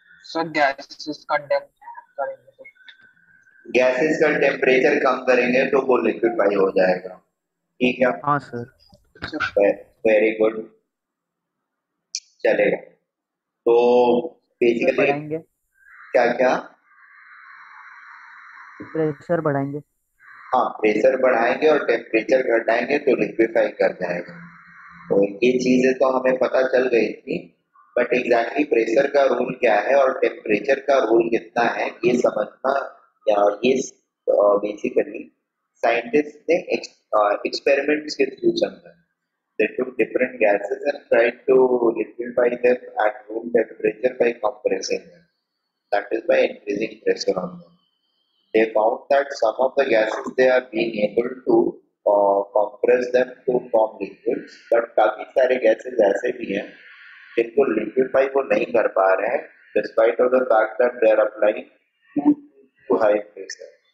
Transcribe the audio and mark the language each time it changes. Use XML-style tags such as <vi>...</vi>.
<hi>So gases का temperature करेंगे, gases का temperature कम करेंगे तो वो liquefy हो जाएगा, ठीक है? हाँ सर.</hi> <en>Very good.</en> <hi>चलेगा. तो basically क्या क्या pressure बढ़ाएंगे? हाँ, प्रेशर बढ़ाएंगे और टेम्परेचर घटाएंगे तो लिक्विफाई कर जाएगा. तो ये चीजें तो हमें पता चल गई थी, बट एग्जैक्टली प्रेशर का रूल क्या है और टेम्परेचर का रूल कितना है ये समझना, या ये बेसिकली साइंटिस्ट ने एक्सपेरिमेंट्स के थ्रू समझा.</hi> <en>They took different gases and tried to liquefy them at room temperature by compressing them, that is by increasing pressure on them. They found that some of the gases they are being able to compress them to form liquids, but</en> <hi>काफी सारे gases ऐसे भी हैं जिनको liquefy वो नहीं कर पा रहे हैं,</hi> <en>despite of the fact that they are applying too high pressure.</en>